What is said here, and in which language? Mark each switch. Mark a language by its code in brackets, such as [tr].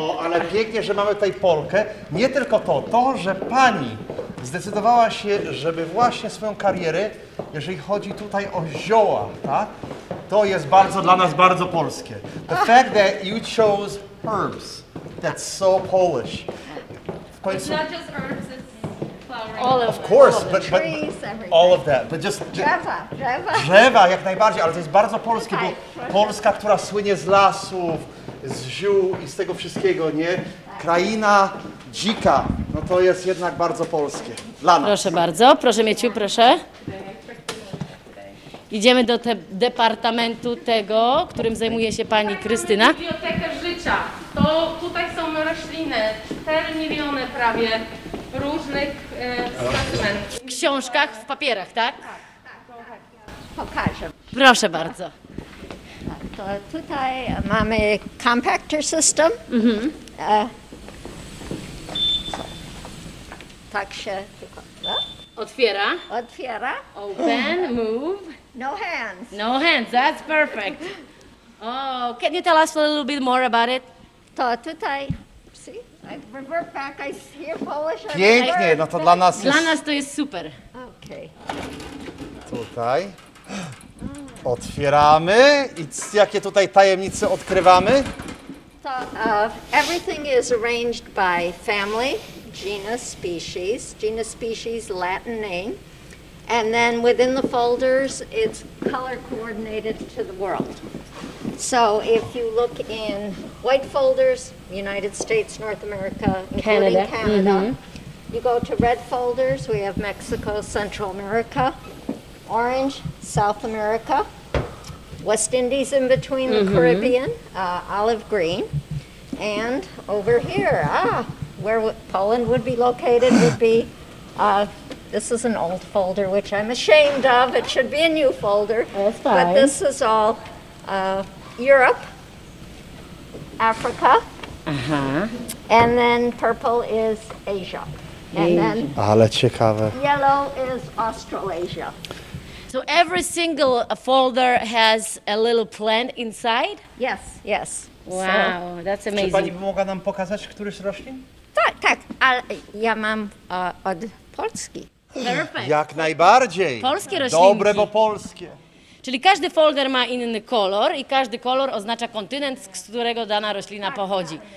[pl] O, ale pięknie, że mamy tutaj Polkę. Nie tylko to, to, że pani zdecydowała się, żeby właśnie swoją karierę, jeżeli chodzi tutaj o zioła, tak? To jest bardzo dla nas bardzo polskie. [en] The fact that you chose herbs, that's so Polish. [pl] W końcu... [en] It's not just herbs, it's flowering. All of it. Of course, all but, trees, but all of that. But just [pl] drzewa, drzewa. Drzewa jak najbardziej, ale to jest bardzo polskie, bo Polska, która słynie z lasów, z ziół i z tego wszystkiego, nie? Kraina dzika, no to jest jednak bardzo polskie dla nas. Proszę bardzo, proszę Mieciu, proszę. Idziemy do departamentu tego, którym zajmuje się pani Krystyna. Bibliotekę życia. To tutaj są rośliny, 4 miliony prawie różnych w książkach, w papierach, tak? Tak, pokażę. Proszę bardzo. To tutaj mamy compactor system. Mhm. Tak się tylko, no? Otwiera. Otwiera. [en] Open, move. No hands. No hands, that's perfect. Oh, can you tell us a little bit more about it? [pl] To tutaj, [en] see, I revert back, I hear Polish. [pl] Pięknie, no to dla nas jest... Dla nas to jest super. [en] Okay. [pl] Tutaj. Otwieramy i jakie tutaj tajemnice odkrywamy? [en] To everything is arranged by family, genus, species. Genus, species, Latin name. And then within the folders, it's color coordinated to the world. So if you look in white folders, United States, North America, including Canada, mm-hmm. You go to red folders, we have Mexico, Central America, orange, South America, West Indies in between mm-hmm. the Caribbean, olive green, and over here, where Poland would be located would be this is an old folder, which I'm ashamed of. It should be a new folder. That's fine. But this is all Europe, Africa, and then purple is Asia. [pl] Ale ciekawe. [en] Yellow is Australasia. So every single folder has a little plant inside? Yes, yes. Wow, so, that's amazing. [pl] Czy pani by mogła nam pokazać któryś roślin? Tak, tak, ale ja mam od Polski. [en] Perfect. [pl] Jak najbardziej. Polskie roślinki. Dobre, bo polskie. Czyli każdy folder ma inny kolor i każdy kolor oznacza kontynent, z którego dana roślina pochodzi.